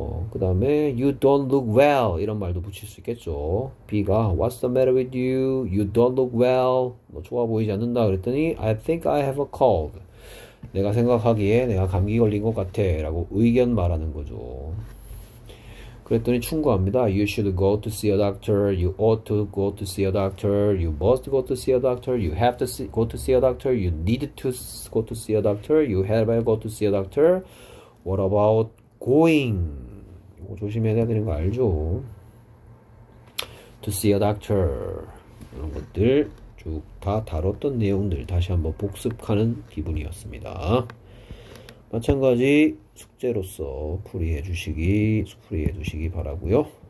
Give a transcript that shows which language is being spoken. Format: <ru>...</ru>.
<ko>그 다음에</ko> <en>You don't look well</en> <ko>이런 말도 붙일 수 있겠죠.</ko> <en>B가 What's the matter with you? You don't look well.</en> <ko>뭐 좋아 보이지 않는다 그랬더니</ko> <en>I think I have a cold.</en> <ko>내가 생각하기에 내가 감기 걸린 것 같아 라고 의견 말하는 거죠. 그랬더니 충고합니다.</ko> <en>You should go to see a doctor. You ought to go to see a doctor. You must go to see a doctor. You have to see, go to see a doctor. You need to go to see a doctor. You have to go to see a doctor. What about going?</en> <ko>이거 조심해야 되는 거 알죠?</ko> <en>To see a doctor.</en> <ko>이런 것들 쭉다 다뤘던 내용들 다시 한번 복습하는 기분이었습니다. 마찬가지 숙제로서 풀이해 주시기 바라고요.</ko>